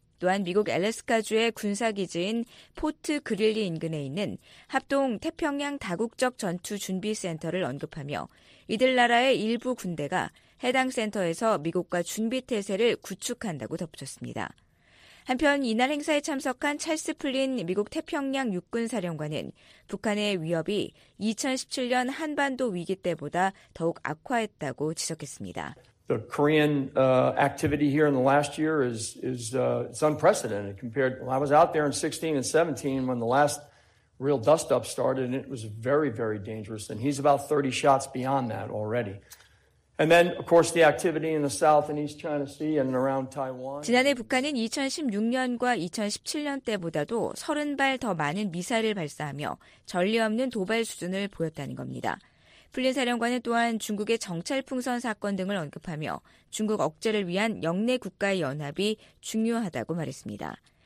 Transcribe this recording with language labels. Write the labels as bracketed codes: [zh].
[ko] 또한 미국 앨래스카주의 군사기지인 포트 그릴리 인근에 있는 합동 태평양 다국적 전투 준비 센터를 언급하며 이들 나라의 일부 군대가 해당 센터에서 미국과 준비태세를 구축한다고 덧붙였습니다. 한편 이날 행사에 참석한 찰스 플린 미국 태평양 육군사령관은 북한의 위협이 2017년 한반도 위기 때보다 더욱 악화했다고 지적했습니다. [en] The Korean activity here in the last year is unprecedented compared. Well, I was out there in 16 and 17 when the last real dust up started, and it was very, very dangerous. And he's about 30 shots beyond that already. And then, of course, the activity in the South and East China Sea and around Taiwan. [ko] 지난해 북한은 2016년과 2017년 때보다도 30발 더 많은 미사일을 발사하며 전례 없는 도발 수준을 보였다는 겁니다. 플린 사령관은 또한 중국의 정찰풍선 사건 등을 언급하며 중국 억제를 위한 영내 국가의 연합이 중요하다고 말했습니다.